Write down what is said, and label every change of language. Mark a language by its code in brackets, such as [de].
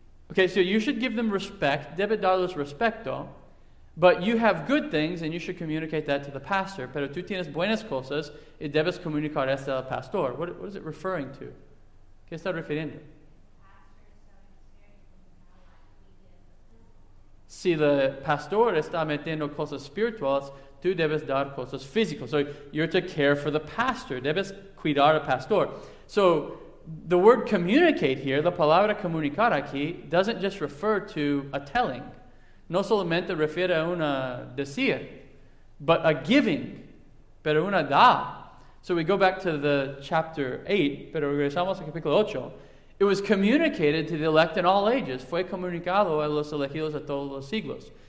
[en] Okay, so you should give them respect, [es] debe darles respeto, [en] but you have good things and you should communicate that to the pastor. [es] Pero tú tienes buenas cosas y debes comunicar esto al pastor. [en] What is it referring to? [es] ¿Qué está refiriendo? Si el pastor está metiendo cosas espirituales, tú debes dar cosas físicas. [en] So you're to care for the pastor, [es] debes cuidar al pastor. [en] So the word communicate here, [es] la palabra comunicar aquí, [en] doesn't just refer to a telling. [es] No solamente refiere a una decir, [en] but a giving, [es] pero una da. [en] So we go back to the chapter 8, [es] pero regresamos al capítulo 8. [en] It was communicated to the elect in all ages. [es] Fue comunicado a los elegidos a todos los siglos.